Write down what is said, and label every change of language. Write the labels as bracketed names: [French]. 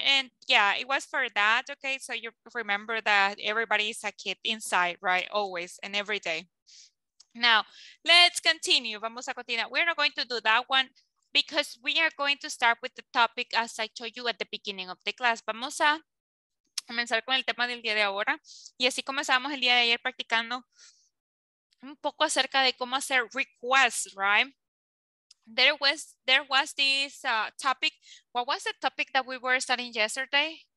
[English] And yeah, it was for that, okay? So you remember that everybody is a kid inside, right? Always and every day. Now, let's continue. [Spanish] Vamos a continuar. [English] We're not going to do that one because we are going to start with the topic as I told you at the beginning of the class. [Spanish] Vamos a comenzar con el tema del día de ahora. Y así comenzamos el día de ayer practicando un poco acerca de cómo hacer requests, right? [English] There was this topic. What was the topic that we were studying yesterday?